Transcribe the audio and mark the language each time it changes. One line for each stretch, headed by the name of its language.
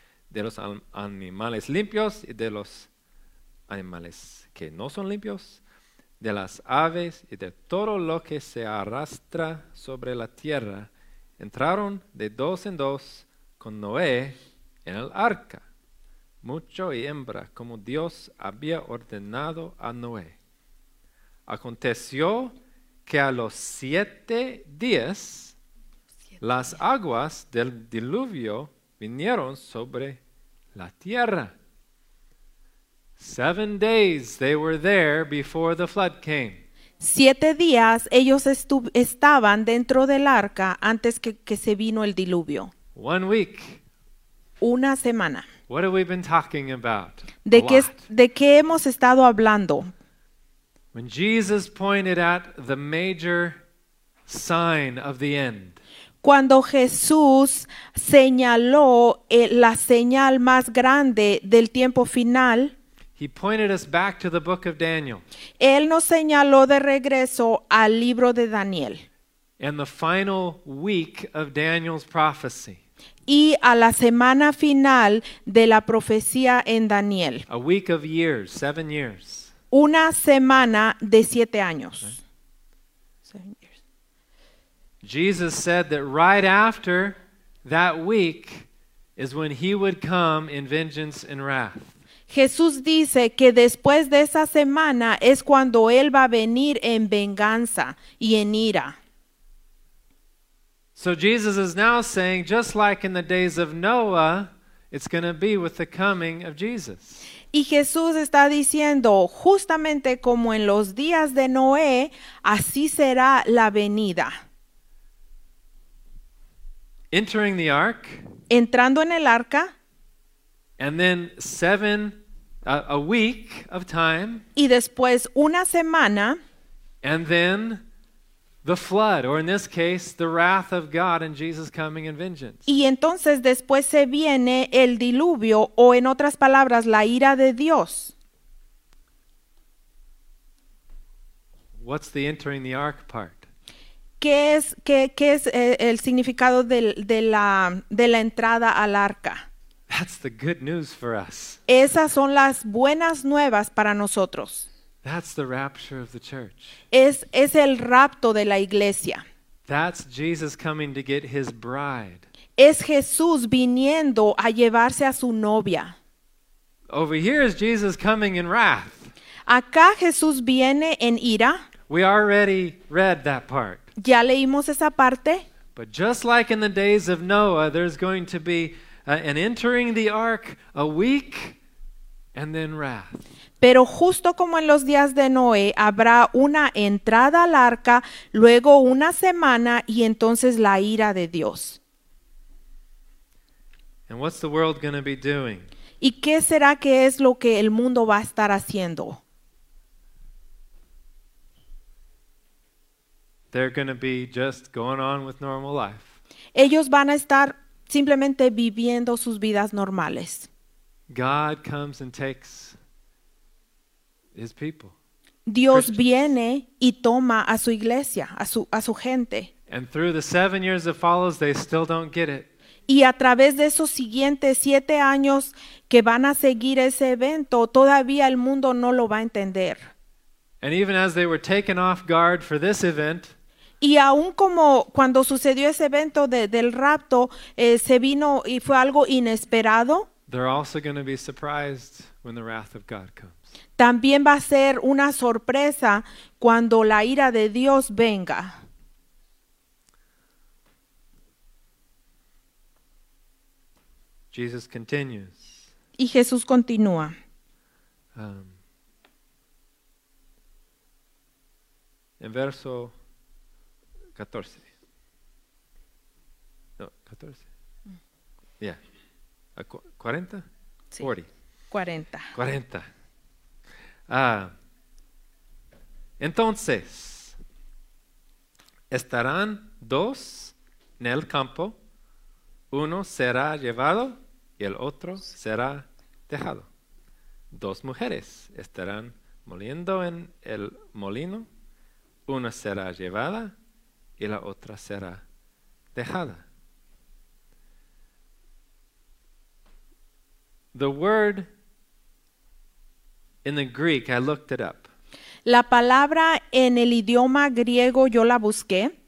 Spanish: de los animales limpios y de los animales que no son limpios, de las aves y de todo lo que se arrastra sobre la tierra, entraron de dos en dos con Noé en el arca, macho y hembra, como Dios había ordenado a Noé. Aconteció que a los 7 días las aguas del diluvio vinieron sobre la tierra.
English: 7 days they were there before the flood came.
Spanish: 7 días ellos estaban dentro del arca antes que se vino el diluvio.
English: 1 week.
Spanish: Una semana.
English: What have we been talking about?
Spanish: ¿De qué hemos estado hablando?
English: When Jesus pointed at the major sign of the end.
Spanish: Cuando Jesús señaló la señal más grande del tiempo final.
English: He pointed us back to the book of Daniel.
Spanish: Él nos señaló de regreso al libro de Daniel.
English: And the final week of Daniel's prophecy.
Spanish: Y a la semana final de la profecía en Daniel.
English: A week of years, 7 years.
Spanish: Una semana de 7 años.
English: Jesus said that right after that week is when he would come in vengeance and wrath.
Spanish: Jesús dice que después de esa semana es cuando Él va a venir en venganza y en ira.
English: So Jesus is now saying, just like in the days of Noah, it's going to be with the coming of Jesus.
Spanish: Y Jesús está diciendo, justamente como en los días de Noé, así será la venida.
English: Entering the ark.
Spanish: Entrando en el arca.
English: And then a week of time.
Spanish: Y después una semana.
English: And then the flood, or in this case, the wrath of God and Jesus coming in vengeance.
Spanish: Y entonces después se viene el diluvio, o en otras palabras, la ira de Dios.
English: What's the entering the ark part?
Spanish: ¿Qué es el significado de la entrada al arca?
English: That's the good news for us.
Spanish: Esas son las buenas nuevas para nosotros.
English: That's the rapture of the church.
Spanish: Es el rapto de la iglesia.
English: That's Jesus coming to get his bride.
Spanish: Es Jesús viniendo a llevarse a su novia.
English: Over here is Jesus coming in wrath.
Spanish: Acá Jesús viene en ira.
English: We already read that part.
Spanish: Ya leímos esa parte.
English: But just like in the days of Noah, there's going to be and entering the ark a week and then wrath.
Spanish: Pero justo como en los días de Noé, habrá una entrada al arca, luego una semana y entonces la ira de Dios.
English: And what's the world going to be doing?
Spanish: ¿Y qué será que es lo que el mundo va a estar haciendo?
English: They're going to be just going on with normal life.
Spanish: Ellos van a estar simplemente viviendo sus vidas normales.
English: God comes and takes his people.
Spanish: Dios viene y toma a su iglesia, a su gente.
English: And through the 7 years that follows, they still don't get it.
Spanish: Y a través de esos siguientes 7 años que van a seguir ese evento, todavía el mundo no lo va a entender.
English: And even as they were taken off guard for this event,
Spanish: y aún como cuando sucedió ese evento del rapto, se vino y fue algo inesperado.
English: They're also going to be surprised when the wrath of God comes.
Spanish: También va a ser una sorpresa cuando la ira de Dios venga.
English: Jesus continues.
Spanish: Y Jesús continúa. En verso 14. No, 14. Yeah. 40? Sí. 40. 40. Entonces, estarán dos en el campo, uno será llevado y el otro será dejado. Dos mujeres estarán moliendo en el molino, una será llevada y la otra será dejada.
English: The word in the Greek, I looked it up.
Spanish: La palabra en el idioma griego yo la busqué.